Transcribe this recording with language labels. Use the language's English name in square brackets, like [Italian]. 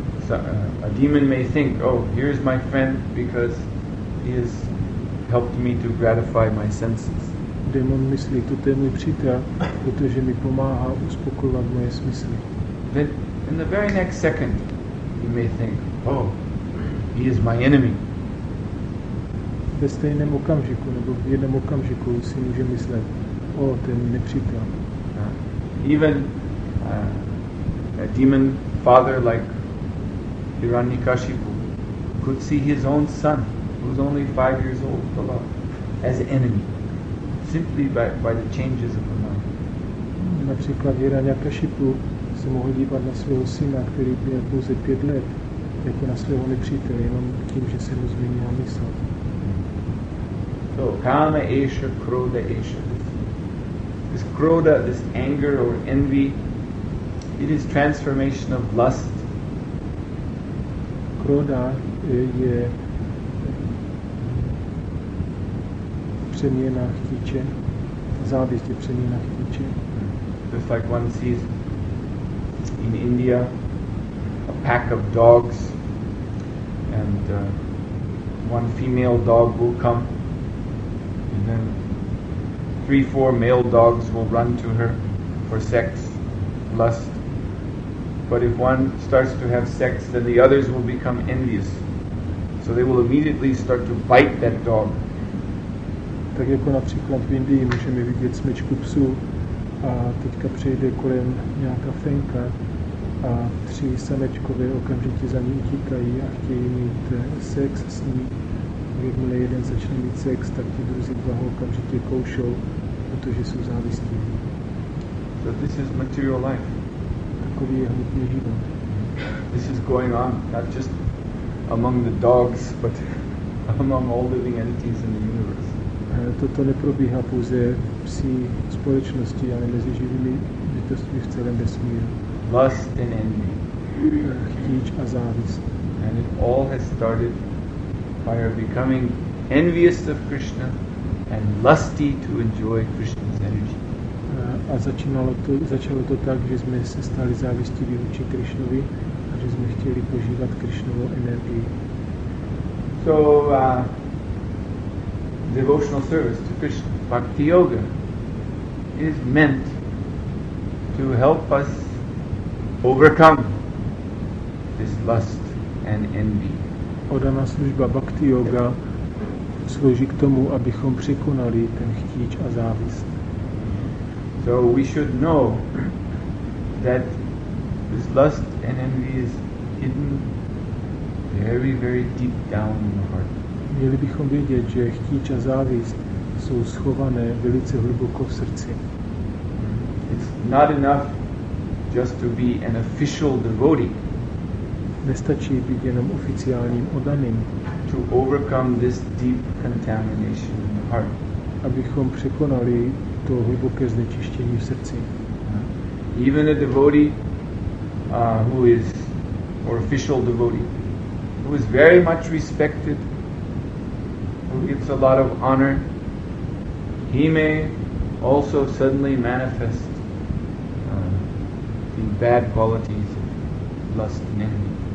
[English] A demon may think, oh, here is my friend because he has helped me to gratify my senses. [Czech] Démon myslí, toto je můj přítel, protože mi pomáhá uspokojovat moje smysly. [English] Then, in the very next second, you may think, oh, he is my enemy. [Czech] Ve stejném okamžiku, nebo v jednom okamžiku si může myslet, o, ten nepřítel. [English] Even a demon father like Hiranyakashipu could see his own son, who was only 5 years old, as enemy, simply by the changes of the mind. [Czech] Například Hiranyakashipu se mohl dívat na svého syna, který byl pouze 5 let, jako na svého nepřítele, jenom tím, že se mu změnila mysl. [English] So, [Sanskrit] kama esha, krodha esha. [English] This krodha, this anger or envy, it is transformation of lust. [Czech] Krodha je přeměna chtíče. Závist je přeměna chtíče. [English] Just like one sees in India, a pack of dogs, and one female dog will come. And then 3-4 male dogs will run to her for sex, lust. But if one starts to have sex, then the others will become envious. So they will immediately start to bite that dog. [Czech] Tak jako například v Indii můžeme vidět smečku psů a teďka přijde kolem nějaká fenka a 3 samečkové okamžitě za ní utíkají a chtějí mít sex s ní. Jakmile jeden začne mít sex, tak ti druzí dva ho okamžitě koušou, protože jsou závislí. [English] So this is material life. [Czech] Takový je hmotný život. [English] This is going on, not just among the dogs, but among all living entities in the universe. [Czech] Toto neprobíhá pouze v psí společnosti, ale mezi živými bytostmi v celém vesmíru. [English] Lust and envy. [Czech] Chtíč a závist. [English] And it all has started by our becoming envious of Krishna and lusty to enjoy Krishna's energy. [Czech] A začalo to tak, že jsme se stali závistiví vůči Krišnovi a že jsme chtěli požívat Krišnovou energii. [English] So, devotional service to Krishna, bhakti yoga, is meant to help us overcome this lust and envy. [Czech] Oddaná služba bhakti yoga slouží k tomu, abychom překonali ten chtíč a závist. [English] So we should know that this lust and envy is hidden very, very deep down in the heart. [Czech] Měli bychom vědět, že chtíč a závist jsou schované velice hluboko v srdci. [English] It's not enough just to be an official devotee. [Czech] Nestačí být jenom oficiálním oddaným. [English] To overcome this deep contamination in the heart. [Czech] Abychom překonali to hluboké znečištění v srdci. [English] Even a devotee who is, or official devotee, who is very much respected, who gets a lot of honor, he may also suddenly manifest the bad qualities of lust and envy.